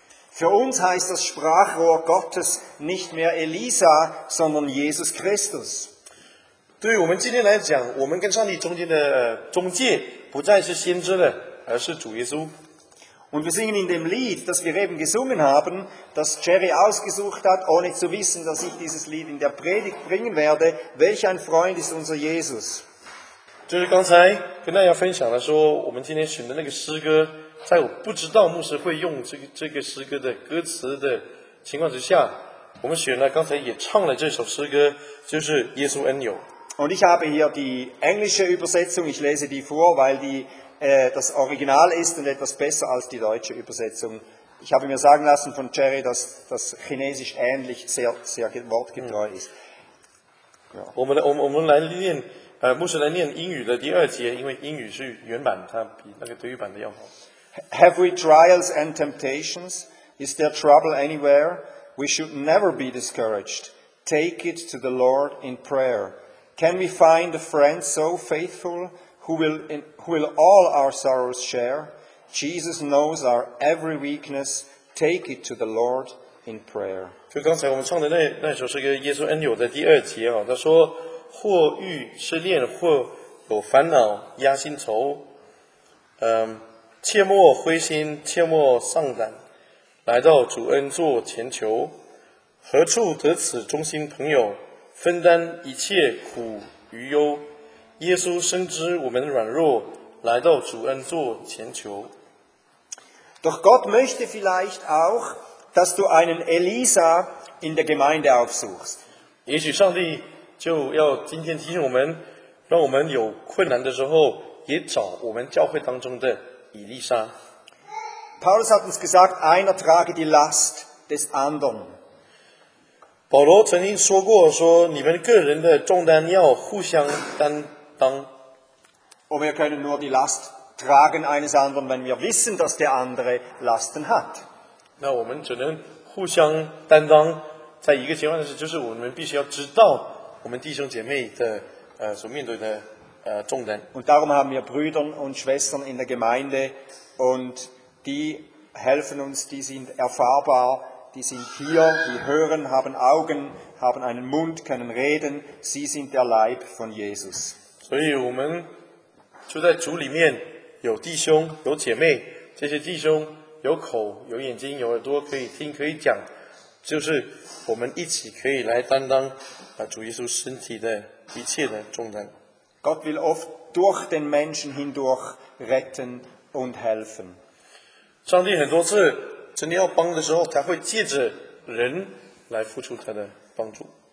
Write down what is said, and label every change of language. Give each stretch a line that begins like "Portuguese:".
German: Für uns heißt das Sprachrohr Gottes nicht mehr Elisa, sondern Jesus Christus.
Chinese: 对我们今天来讲，我们跟上帝中间的中介不再是先知了，而是主耶稣。
German: Und wir singen in dem Lied, das wir eben gesungen haben, das Jerry ausgesucht hat, ohne zu wissen, dass ich dieses Lied in der Predigt bringen werde. Welch ein Freund ist unser Jesus?
Chinese: 就是刚才跟大家分享的说，我们今天选的那个诗歌，在我不知道牧师会用这个诗歌的歌词的情况之下，我们选了刚才也唱了这首诗歌，就是耶稣恩友。
German: Und ich habe hier die englische Übersetzung. Ich lese die vor, weil die das Original ist und etwas besser als die deutsche Übersetzung. Ich habe mir sagen lassen von Jerry, dass das Chinesisch ähnlich sehr sehr wortgetreu ist.
Chinese: 我们来念，牧师来念英语的第二节，因为英语是原版，它比那个德语版的要好。
English: Have we trials and temptations? Is there trouble anywhere? We should never be discouraged. Take it to the Lord in prayer. Can we find a friend so faithful who will all our sorrows share? Jesus knows our every weakness. Take it to the Lord in prayer.
Chinese: 就刚才我们唱的那首诗歌《耶稣恩友》的第二节啊，他说：或遇失恋，或有烦恼压心愁，切莫灰心，切莫丧胆，来到主恩座前求，何处得此忠心朋友？分担一切苦与忧，耶稣深知我们软弱，来到主恩座前求。
German: Doch Gott möchte vielleicht auch, dass du einen Elisa in der Gemeinde aufsuchst.
Chinese: 也许上帝就要今天提醒我们，让我们有困难的时候，也找我们教会当中的以利沙。
German: Paulus hat uns gesagt, einer trage die Last des anderen.
Chinese: 保罗曾经说过，说你们个人的重担要互相担当。我们
German: können nur die Last tragen eines anderen, wenn wir wissen, dass der andere Lasten hat.
Chinese: 那我们只能互相担当，在一个情况下，就是我们必须要知道我们弟兄姐妹的所面对的重担。
German: Und darum haben wir Brüder und Schwestern in der Gemeinde, und die helfen uns, die sind erfahrbar. Die sind hier, die hören, haben Augen, haben einen Mund, können reden. Sie sind der Leib von Jesus.
Chinese: 所以我们就在主里面有弟兄有姐妹，这些弟兄有口有眼睛有耳朵可以听可以讲，就是我们一起可以来担当主耶稣身体的一切的重担。
German: Gott will oft durch den Menschen hindurch retten und helfen.
Chinese: 上帝很多次。真的要帮的时候，才会借着人来付出他的帮助。